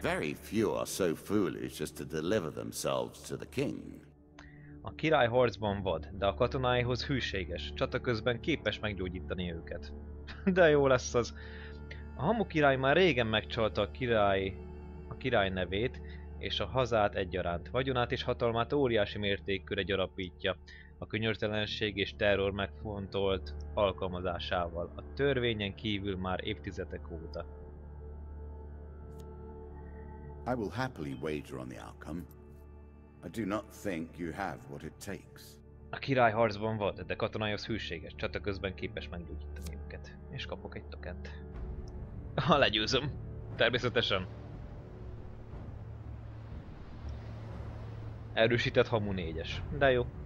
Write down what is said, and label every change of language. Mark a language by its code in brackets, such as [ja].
[en] Very few are so foolish as to deliver themselves to the king. [hu] A király harcban vad, de a katonáihoz hűséges, csata közben képes meggyógyítani őket. De jó lesz az. A hamu király már régen megcsalta a király nevét, és a hazát egyaránt. Vagyonát és hatalmát óriási mértékűre gyarapítja, a könyörtelenség és terror megfontolt alkalmazásával, a törvényen kívül már évtizedek óta. [en] I will happily wager on the outcome. I do not think you have what it takes. [hu] A király harcban vad, de katonaihoz hűséges, csata közben képes meggyógyítani őket. És kapok egy tokent. Ha legyőzöm. Természetesen. Erősített hamu 4-es. De jó.